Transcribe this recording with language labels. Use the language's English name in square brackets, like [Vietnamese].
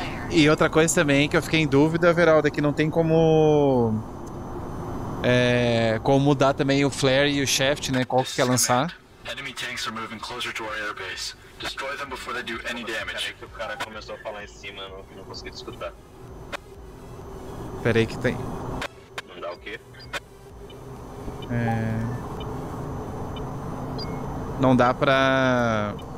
[Portuguese] E outra coisa também que eu fiquei em dúvida, Veraldo, é que não tem como. É, como mudar também o flare e o shaft, né? Qual que quer lançar? [English] Enemy tanks are moving closer to our airbase. Destroy them before they do any damage. [Portuguese] Peraí que o cara começou a falar em cima, eu não consegui te escutar. Peraí que tem. Não dá o quê? É. Não dá pra.